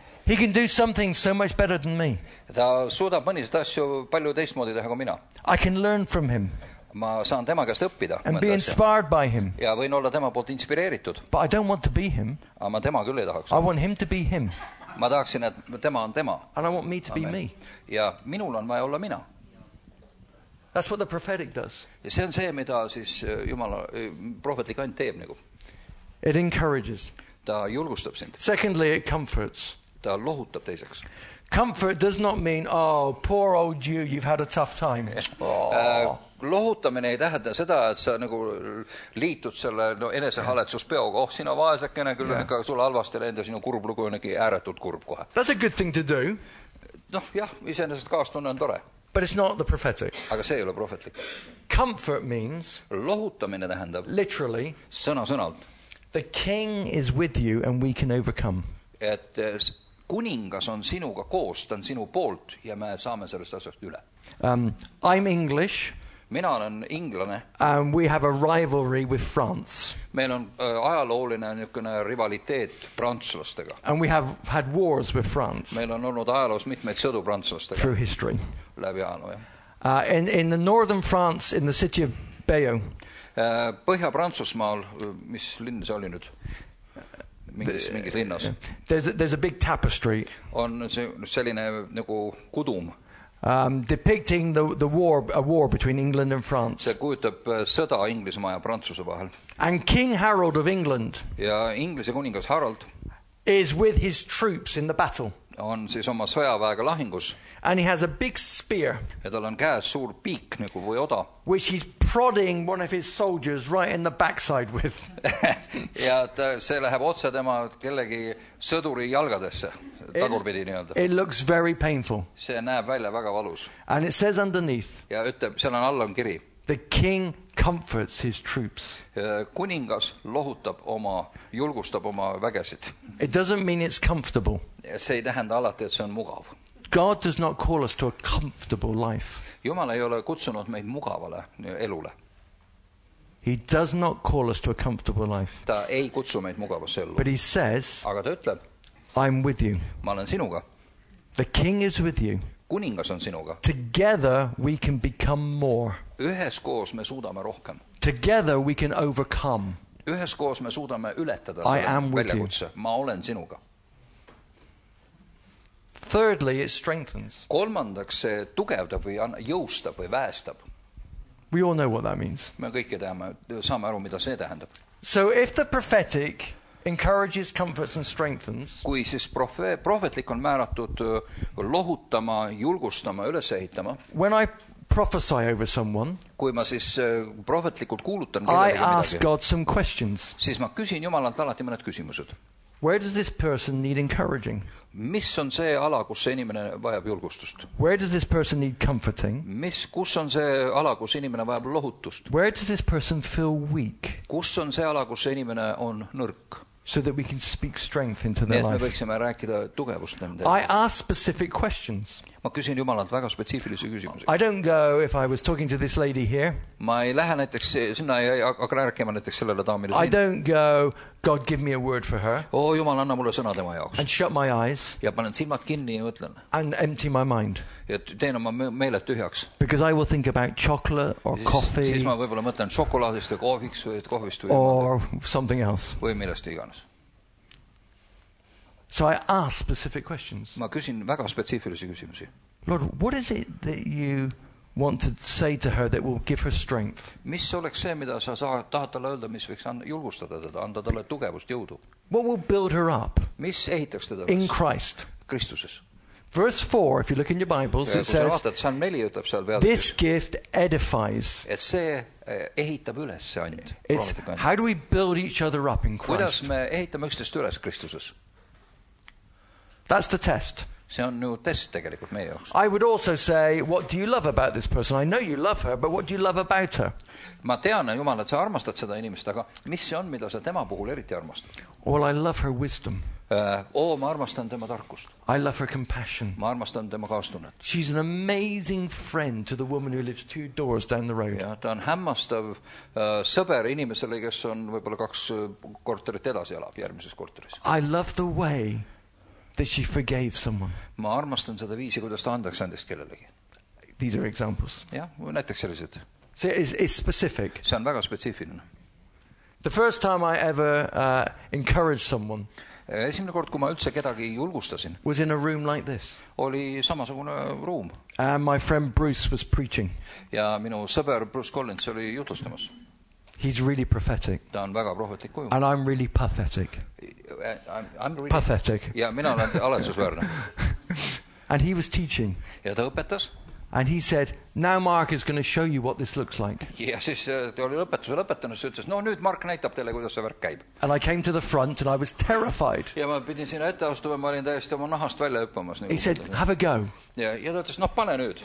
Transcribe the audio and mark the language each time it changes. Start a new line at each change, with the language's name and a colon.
English: He can do something so much better than me.
Estonian: Ta suudab mõnised asju palju teistmoodi teha kui mina.
English: I can learn from him.
Estonian: Ma saan tema käest õppida.
English: And be inspired by him.
Estonian: Ja võin olla tema poolt inspireeritud.
English: But I don't want to be him.
Estonian: Aga ma tema küll ei tahaks.
English: I want him to be him.
Estonian: Ma tahaksin, et tema on tema.
English: And I want me to be me.
Estonian: Ja minul on vaja olla mina.
English: That's what the prophetic does.
Estonian: Ja see on see, mida siis Jumala prohvetlik ainult teeb nagu.
English: It encourages.
Estonian: Ta julgustab sind.
English: Secondly, it comforts.
Estonian: Ta lohutab teiseks.
English: Comfort does not mean, oh, poor old you, you've had a tough time.
Estonian: Lohutamine ei tähenda seda, et sa nagu liitud selle enesehaletsuspeoga. Oh, sina vaesakene, küll on ikka sul halvasti enda sinu kurb lugu onegi ääretult kurb kohe.
English: That's a good thing to do.
Estonian: Noh, jah, iseenesest kaastunne on tore.
English: But it's not the prophetic.
Estonian: Aga see ei ole prophetlik.
English: Comfort means...
Estonian: Lohutamine tähendab...
English: Literally...
Estonian: Sõnasõnalt.
English: The king is with you and we can overcome.
Estonian: Et kuningas on sinuga koos, ta on sinu poolt ja me saame sellest asjast üle.
English: I'm English...
Estonian: Mina olen inglane.
English: We have a rivalry with France.
Estonian: Meil on ajalooline niisugune rivaliteet prantslastega.
English: And we have had wars with France.
Estonian: Meil on olnud ajaloos mitmeid sõdu prantslastega.
English: Through history.
Estonian: Läbi ajaloo, jah.
English: In the northern France, in the city of Bayeux.
Estonian: Põhja-Prantsusmaal, mis linn see oli nüüd? Mingis linnas.
English: There's a big tapestry.
Estonian: On selline nagu kudum.
English: Depicting a war between England and France.
Estonian: See kujutab sõda Inglismaa ja Prantsuse vahel.
English: And King Harold of England.
Estonian: Ja Inglise kuningas Harold
English: is with his troops in the battle.
Estonian: On siis oma sõjaväega lahingus.
English: And he has a big spear.
Estonian: Ja tal on käes suur piik nagu või oda.
English: Which he's prodding one of his soldiers right in the backside with.
Estonian: Ja ta see läheb otse tema kellegi sõduri jalgadesse.
English: It looks very painful.
Estonian: See näeb välja väga valus.
English: And it says underneath.
Estonian: Ja ütleb, seal on all on kiri.
English: The king comforts his troops.
Estonian: Kuningas lohutab oma, julgustab oma vägesid.
English: It doesn't mean it's comfortable.
Estonian: See ei tähenda alati, et see on mugav.
English: God does not call us to a comfortable life.
Estonian: Jumal ei ole kutsunud meid mugavale elule.
English: He does not call us to a comfortable life.
Estonian: Ta ei kutsu meid mugavasse elu.
English: But he says.
Estonian: Aga ta ütleb.
English: I'm with you.
Estonian: Ma olen sinuga.
English: The king is with you.
Estonian: Kuningas on sinuga.
English: Together we can become more.
Estonian: Üheskoos me suudame rohkem.
English: Together we can overcome.
Estonian: Üheskoos me suudame ületada seda väljakutse. Ma olen sinuga.
English: Thirdly, it strengthens.
Estonian: Kolmandaks see tugevdab või jõustab või väästab.
English: We all know what that means.
Estonian: Me kõik teame, saame aru, mida see tähendab.
English: So if the prophetic encourages, comforts and strengthens.
Estonian: Kui siis prohvetlik on määratud lohutama, julgustama, üles ehitama.
English: When I prophesy over someone,
Estonian: kui ma siis prohvetlikult kuulutan
English: I ask
Estonian: midagi,
English: God some questions.
Estonian: Siis ma küsin Jumalalt alati mõned küsimused.
English: Where does this person need encouraging?
Estonian: Mis on see ala, kus see inimene vajab julgustust?
English: Where does this person need comforting?
Estonian: Kus on see ala, kus inimene vajab lohutust?
English: Where does this person feel weak?
Estonian: Kus on see ala, kus see inimene on nõrk?
English: So that we can speak strength into their life.
Estonian: Me võiksime rääkida tugevust nende.
English: I ask specific questions.
Estonian: Ma küsin Jumalalt väga spetsiifilise küsimuse.
English: I don't go if I was talking to this lady here.
Estonian: Ma ei lähe näiteks sinna ja aga rääkima näiteks sellele daamile.
English: I don't go, God give me a word for her.
Estonian: Oh, Jumal anna mulle sõna tema jaoks.
English: And shut my eyes.
Estonian: Ja panen silmad kinni ja mõtlen.
English: And empty my mind.
Estonian: Ja teen oma meeled tühjaks.
English: Because I will think about chocolate or coffee.
Estonian: Siis ma võibolla mõtlen šokolaadist või kohviks või kohvist.
English: Or something else.
Estonian: Või millest iganes.
English: So I ask specific questions.
Estonian: Ma küsin väga spetsiifilisi küsimusi.
English: Lord, what is it that you want to say to her that will give her strength?
Estonian: Mis oleks see, mida sa tahad talle öelda, mis võiks julgustada teda, anda talle tugevust, jõudu?
English: What will build her up?
Estonian: Mis ehitaks teda?
English: In Christ.
Estonian: Kristuses.
English: Verse 4, if you look in your Bibles, it says, this gift edifies.
Estonian: Et see ehitab üles see ainult.
English: It's how do we build each other up in Christ?
Estonian: Kuidas me ehitame üksteist üles Kristuses?
English: That's the test.
Estonian: See on nüüd test tegelikult meie jaoks.
English: I would also say, what do you love about this person? I know you love her, but what do you love about her?
Estonian: Ma tean, Jumal, et sa armastad seda inimest, aga mis see on, mida sa tema puhul eriti armastad?
English: Well, I love her wisdom.
Estonian: Ma armastan tema tarkust.
English: I love her compassion.
Estonian: Ma armastan tema kaastunnet.
English: She's an amazing friend to the woman who lives two doors down the road.
Estonian: Ja ta on hämmastav sõber inimesele, kes on võib-olla kaks korterit edasi elab, järgmises korteris.
English: I love the way that she forgave someone.
Estonian: Ma armastan seda viisi, kuidas ta andaks endest kellelegi.
English: These are examples.
Estonian: Ja, näiteks sellised.
English: See is specific.
Estonian: See on väga spetsiifiline.
English: The first time I ever encouraged someone
Estonian: esimene kord, kui ma üldse kedagi julgustasin,
English: was in a room like this.
Estonian: Oli samasugune ruum.
English: And my friend Bruce was preaching.
Estonian: Ja minu sõber Bruce Collins oli jutustamas.
English: He's really prophetic.
Estonian: Ta on väga prohvetlik kuju.
English: And I'm really pathetic. I'm really pathetic.
Estonian: Ja mina olen alatsusväärne.
English: And he was teaching.
Estonian: Ja ta õpetas.
English: And he said, now Mark is going to show you what this looks like.
Estonian: Ja siis ta oli lõpetanud, siis ütles, no nüüd Mark näitab teile, kuidas see värk käib.
English: And I came to the front and I was terrified.
Estonian: Ja ma pidin sinna ette astuma, ma olin täiesti oma nahast välja hüppamas.
English: He said, have a go.
Estonian: Ja ta ütles, noh, pane nüüd.